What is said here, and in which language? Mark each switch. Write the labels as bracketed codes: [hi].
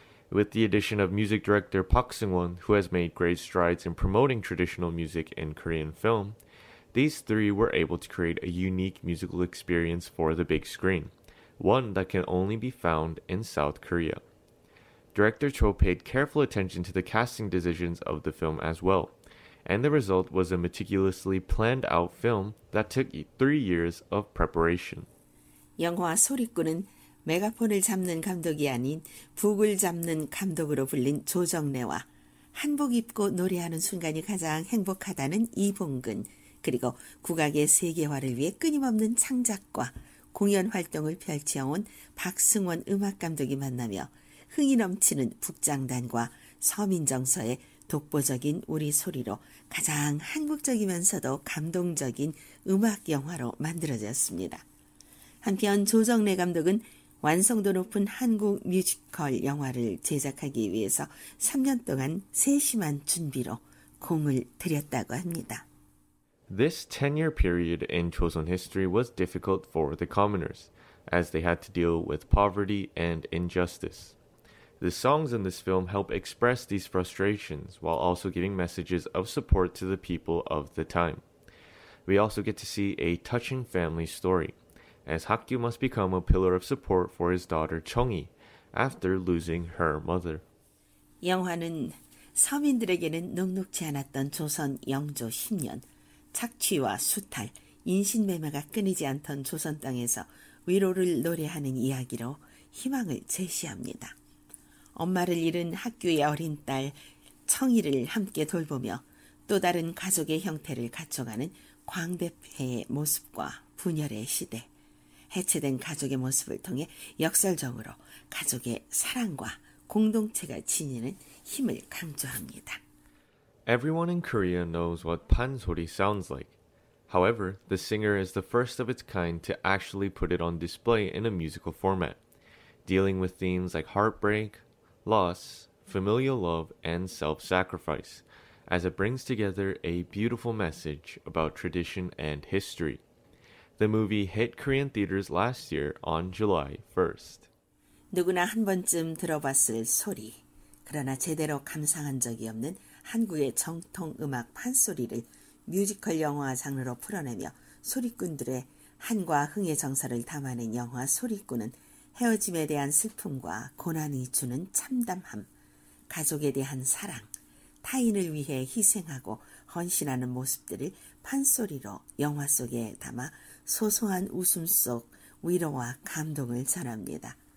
[en] With the addition of music director Park Seung-won, who has made great strides in promoting traditional music in Korean film, these three were able to create a unique musical experience for the big screen, one that can only be found in South Korea. Director Cho paid careful attention to the casting decisions of the film as well, and the result was a meticulously planned out film that took 3 years of preparation. [ko] 영화 소리꾼은 메가폰을 잡는 감독이 아닌 북을 잡는 감독으로 불린 조정래와 한복 입고 노래하는 순간이 가장 행복하다는 이봉근, 그리고 국악의 세계화를 위해 끊임없는 창작과 공연 활동을 펼쳐온 박승원 음악 감독이 만나며 흥이 넘치는 북장단과 서민 정서의 독보적인 우리 소리로 가장 한국적이면서도 감동적인 음악 영화로 만들어졌습니다. 한편 조정래 감독은 완성도 높은 한국 뮤지컬 영화를 제작하기 위해서 3년 동안 세심한 준비로 공을 들였다고 합니다. [en] This 10-year period in Joseon history was difficult for the commoners, as they had to deal with poverty and injustice. The songs in this film help express these frustrations while also giving messages of support to the people of the time. We also get to see a touching family story, as Hak-kyu must become a pillar of support for his daughter Chung-hee after losing her mother. [ko] 영화는 서민들에게는 녹록지 않았던 조선 영조 10년, 착취와 수탈, 인신매매가 끊이지 않던 조선 땅에서 위로를 노래하는 이야기로 희망을 제시합니다. 엄마를 잃은 학교의 어린 딸 청희를 함께 돌보며 또 다른 가족의 형태를 갖춰가는 광대패의 모습과 분열의 시대, 해체된 가족의 모습을 통해 역설적으로 가족의 사랑과 공동체가 지니는 힘을 강조합니다. [en] Everyone in Korea knows what 판소리 sounds like. However, the singer is the first of its kind to actually put it on display in a musical format, dealing with themes like heartbreak, loss, familial love, and self-sacrifice, as it brings together a beautiful message about tradition and history. The movie hit Korean theaters last year on July 1st. [ko] 누구나 한 번쯤 들어봤을 소리, 그러나 제대로 감상한 적이 없는 한국의 정통 음악 판소리를 뮤지컬 영화 장르로 풀어내며 소리꾼들의 한과 흥의 정서를 담아낸 영화 소리꾼은 헤어짐에 대한 슬픔과 고난이 주는 참담함, 가족에 대한 사랑, 타인을 위해 희생하고 헌신하는 모습들을 판소리로 영화 속에 담아 소소한 웃음 속 위로와 감동을 전합니다.